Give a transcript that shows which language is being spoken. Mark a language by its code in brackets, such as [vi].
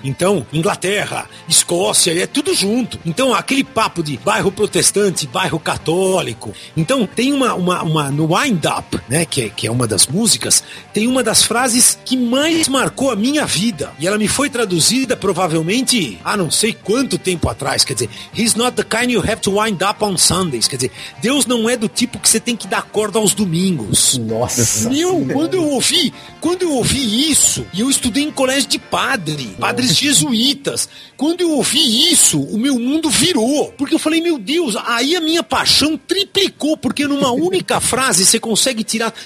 [pt] Então, Inglaterra, Escócia, é tudo junto. Então, aquele papo de bairro protestante, bairro católico. Então, tem uma no Wind Up, né, que é uma das músicas, tem uma das frases que mais marcou a minha vida. E ela me foi traduzida provavelmente há não sei quanto tempo atrás. [en] Quer dizer, He's not the kind you have to wind up on Sundays. [pt] Quer dizer, Deus não é do tipo que você tem que dar corda aos domingos. Nossa. Meu, quando eu ouvi isso, e eu estudei em colégio de padres jesuítas. Quando eu ouvi isso, o meu mundo virou, porque eu falei, meu Deus, aí a minha paixão triplicou, porque numa única frase você consegue tirar.